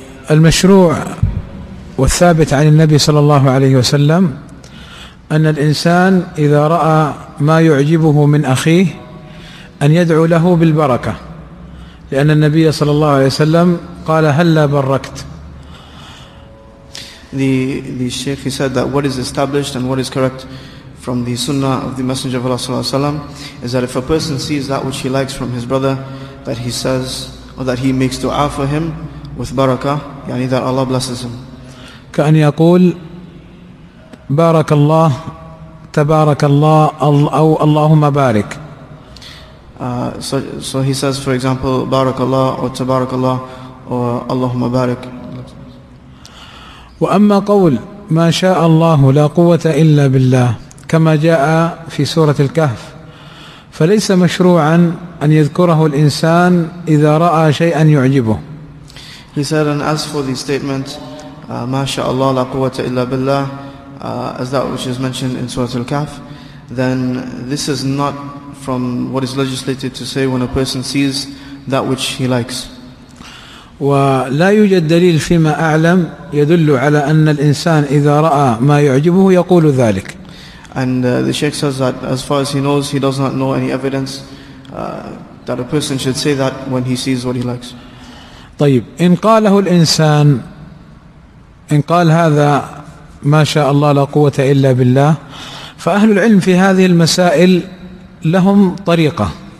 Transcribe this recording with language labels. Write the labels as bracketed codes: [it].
[ar] المشروع والثابت عن النبي صلى الله عليه وسلم أن الإنسان إذا رأى ما يعجبه من أخيه أن يدعو له بالبركة، لأن النبي صلى الله عليه وسلم قال هلا بركت. [en] The Sheikh, he said that what is established and what is correct from the Sunnah of the Messenger of Allah صلى الله عليه وسلم is that if a person sees that which he likes from his brother, that he says or that he makes dua for him with baraka, يعني that Allah blesses him. [ar] كأن يقول بارك الله تبارك الله أو اللهم بارك. [en] So he says, for example, [ar] بارك الله أو تبارك الله أو اللهم بارك. وأما قول ما شاء الله لا قوة إلا بالله كما جاء في سورة الكهف فليس مشروعا أن يذكره الإنسان إذا رأى شيئا يعجبه. [en] He said, and as for the statement [ar] ما شاء الله لا قوة إلا بالله, [en] as that which is mentioned in Surah Al-Kahf, then this is not from what is legislated to say when a person sees that which he likes. [ar] ولا يوجد دليل فيما أعلم يدل على أن الإنسان إذا رأى ما يعجبه يقول ذلك. [en] And the Sheikh says that as far as he knows, he does not know any evidence that a person should say that when he sees what he likes. [ar] طيب، إن قاله الإنسان، إن قال هذا ما شاء الله لا قوة إلا بالله، فأهل العلم في هذه المسائل لهم طريقة.